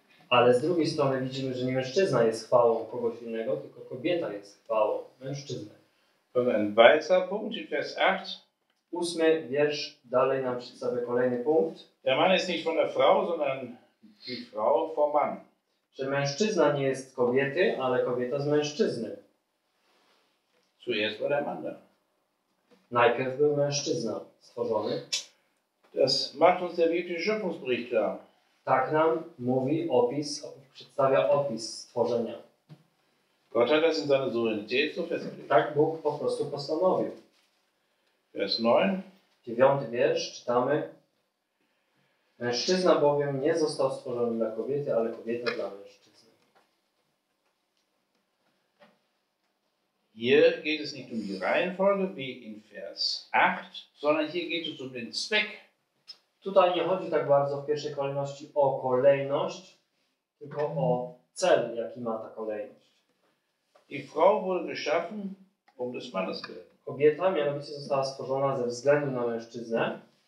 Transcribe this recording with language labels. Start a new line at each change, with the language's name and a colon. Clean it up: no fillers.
Polish: Ale z drugiej strony widzimy, że nie mężczyzna jest chwałą kogoś innego, tylko kobieta jest chwałą mężczyzny.
German: Ein weiterer Punkt, Vers 8.
Polish: Ósmy wiersz dalej nam przedstawia kolejny punkt.
German: Der Mann ist nicht von der Frau, sondern die Frau vom Mann.
Polish: Że mężczyzna nie jest z kobiety, ale kobieta z mężczyzny.
German: Zuerst war der Mann da.
Polish: Najpierw był mężczyzna stworzony.
German: Das macht uns der biblische Schöpfungsbericht klar.
Polish: Tak nam mówi opis, przedstawia opis stworzenia.
German: Gott hat das in seiner Souveränität so festgelegt.
Polish: Tak Bóg po prostu postanowił.
German: Vers 9.
Polish: Dziewiąty wiersz czytamy. Mężczyzna bowiem nie został stworzony dla kobiety, ale kobieta dla mężczyzny.
German: Hier geht es nicht um die Reihenfolge wie in Vers 8, sondern hier geht es um den Zweck.
Polish: Tutaj nie chodzi tak bardzo w pierwszej kolejności o kolejność, tylko o cel, jaki ma ta kolejność.
German: Die Frau wurde geschaffen um des Mannes willen.
Polish: Kobieta mianowicie została stworzona ze względu na mężczyznę.